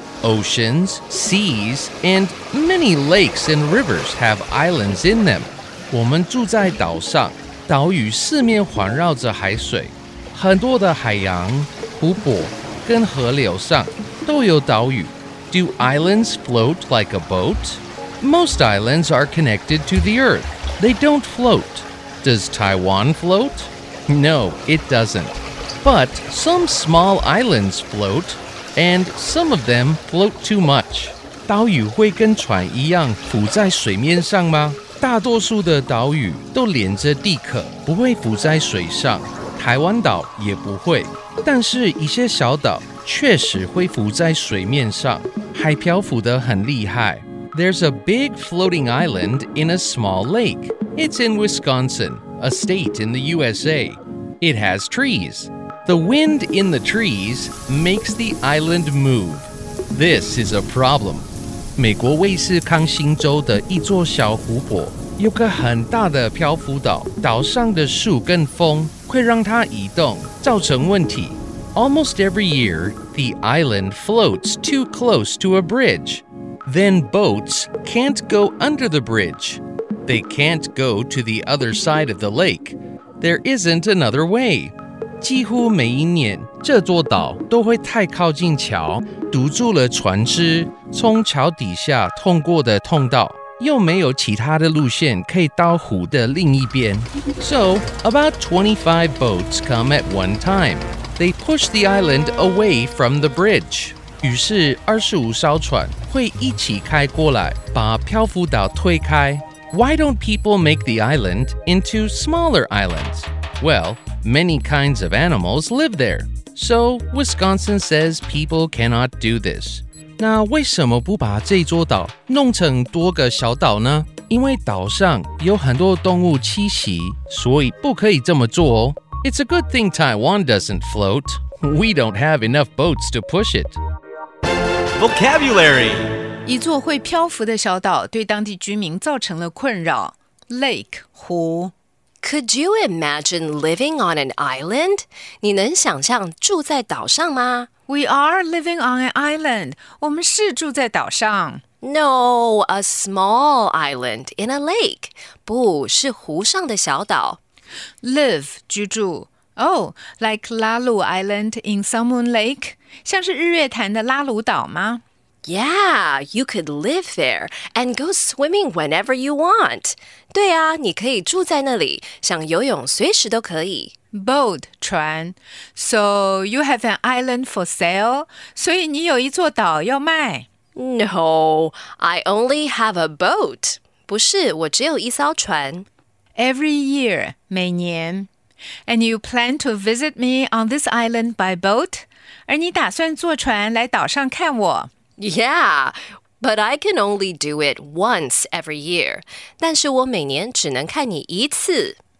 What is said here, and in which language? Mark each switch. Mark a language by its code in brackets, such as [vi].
[en] Oceans, seas, and many lakes and rivers have islands in them. [zh] 我们住在岛上，岛屿四面环绕着海水，很多的海洋、湖泊跟河流上都有岛屿。 [en] Do islands float like a boat? Most islands are connected to the earth. They don't float. Does Taiwan float? No, it doesn't. But some small islands float, and some of them float too much. [zh] 岛屿会跟船一样浮在水面上吗？大多数的岛屿都连着地壳，不会浮在水上。台湾岛也不会，但是一些小岛确实会浮在水面上，海漂浮得很厉害。 [en] There's a big floating island in a small lake. It's in Wisconsin, a state in the USA. It has trees. The wind in the trees makes the island move. This is a problem. [zh] 美国威斯康辛州的一座小湖泊有个很大的漂浮岛，岛上的树跟风会让它移动，造成问题。 [en] Almost every year, the island floats too close to a bridge. Then boats can't go under the bridge. They can't go to the other side of the lake. There isn't another way. [zh] 几乎每一年，这座岛都会太靠近桥，堵住了船只从桥底下通过的通道，又没有其他的路线可以到湖的另一边。 [en] So, about 25 boats come at one time. They push the island away from the bridge. [zh] 于是25艘船会一起开过来，把漂浮岛推开。 [en] Why don't people make the island into smaller islands? Well, many kinds of animals live there. So, Wisconsin says people cannot do this. [zh] 那为什么不把这座岛弄成多个小岛呢？因为岛上有很多动物栖息，所以不可以这么做哦。 [en] It's a good thing Taiwan doesn't float. We don't have enough boats to push it. Vocabulary. [zh] 一座会漂浮的小岛对当地居民造成了困扰。 [en] Lake, 湖。 Could you imagine living on an island? [zh] 你能想象住在岛上吗？ [en] We are living on an island. [zh] 我们是住在岛上。 [en] No, a small island in a lake. [zh] 不，是湖上的小岛。 [en] Live, 居住。Oh, like Lalu Island in Salmon Lake? [zh] 像是日月潭的拉鲁岛吗？ [en] Yeah, you could live there and go swimming whenever you want. [zh] 对啊，你可以住在那里，想游泳随时都可以。 [en] Boat, 船。So, you have an island for sale? [zh] 所以你有一座岛要卖。 [en] No, I only have a boat. [zh] 不是，我只有一艘船。 [en] Every year, [zh] 每年。 [en] And you plan to visit me on this island by boat? [zh] 而你打算坐船来岛上看我。 [en] Yeah, but I can only do it once every year. [zh] 但是我每年只能看你一次。